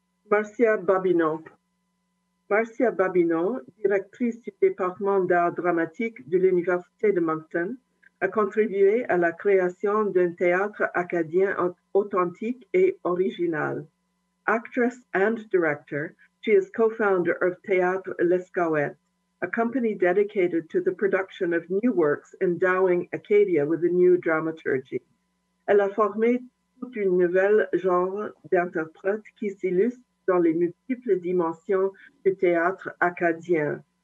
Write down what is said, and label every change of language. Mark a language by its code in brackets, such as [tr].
[fr] Marcia Babineau. Marcia Babineau, directrice du département d'art dramatique de l'Université de Moncton, a contribué à la création d'un théâtre acadien authentique et original. [en] Actress and director, she is co-founder of Théâtre L'Escouette, a company dedicated to the production of new works endowing Acadia with a new dramaturgy. [fr] Elle a formé tout un nouvel genre d'interprètes qui s'illustre dans les multiples dimensions du théâtre acadien.